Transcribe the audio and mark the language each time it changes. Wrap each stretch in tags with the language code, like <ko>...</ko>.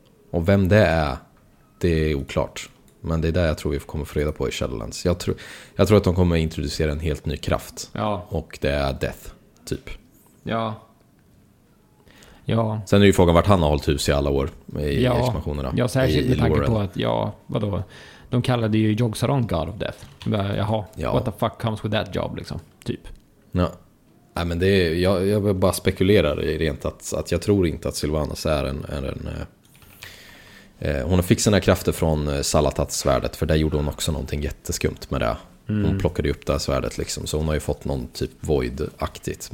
<sv>Och vem det är, det är oklart. Men det är det jag tror vi kommer få reda på i Shadowlands. Jag tror att de kommer introducera en helt ny kraft. Ja. Och det är Death. Typ. Ja. Ja. Sen är ju frågan vart han har hållit hus i alla år i expansionerna. Ja, särskilt med tanke på att, ja, vadå? De kallade ju Yogg-Saron God of Death. Jaha, ja.</sv> <en>What the fuck comes with that job,</en> <sv>liksom, typ. Ja. Nej, men det är, jag vill bara spekulera rent att jag tror inte att Sylvanas är hon har fixat sina krafter från Salatats svärdet, för där gjorde hon också någonting jätteskumt med det. Hon plockade upp det här svärdet liksom, så hon har ju fått någon typ void-aktigt.</sv>